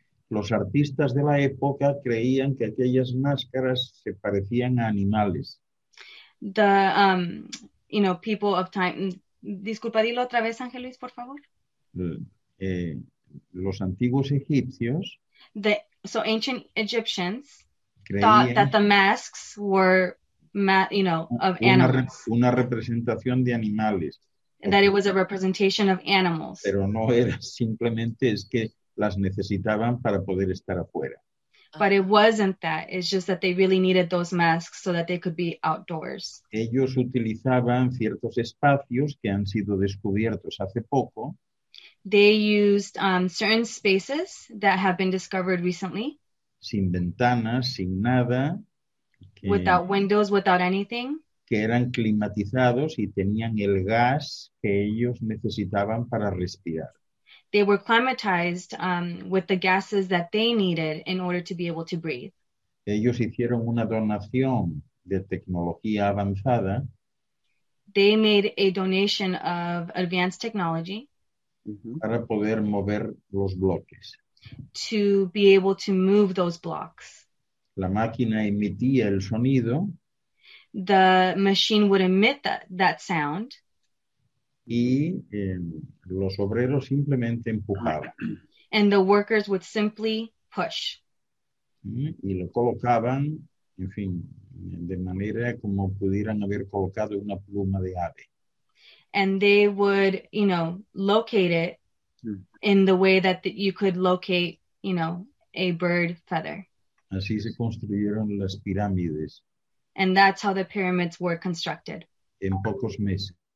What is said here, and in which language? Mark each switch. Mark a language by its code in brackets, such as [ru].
[es] Los artistas de la época creían que aquellas máscaras se parecían a animales. [en] The, people of time... [es] Disculpa, dilo otra vez, Ángel Luis, por favor. Los antiguos egipcios. [en] Ancient Egyptians thought that the masks were, of animals. [es] Una representación de animales. [en] That it was a representation of animals. [es] Pero no era, simplemente es que las necesitaban para poder estar afuera. [en] But it wasn't that. It's just that they really needed those masks so that they could be outdoors. [es] Ellos utilizaban ciertos espacios que han sido descubiertos hace poco. [en] They used certain spaces that have been discovered recently. [es] Sin ventanas, sin nada. [en] Without windows, without anything. [es] Que eran climatizados y tenían el gas que ellos necesitaban para respirar. [en] They were climatized with the gases that they needed in order to be able to breathe. [es] Ellos hicieron una donación de tecnología avanzada. [en] They made a donation of advanced technology. [es] Para poder mover los bloques. [en] To be able to move those blocks. [es] La máquina emitía el sonido. [en] The machine would emit that sound. [es] Y los obreros simplemente empujaban. [en] And the workers would simply push. [es] Y lo colocaban, en fin, de manera como pudieran haber colocado una pluma de ave. [en] And they would, locate it in the way that you could locate, a bird feather. [es] Así se construyeron las pirámides. [en] And that's how the pyramids were constructed. [es] En pocos meses.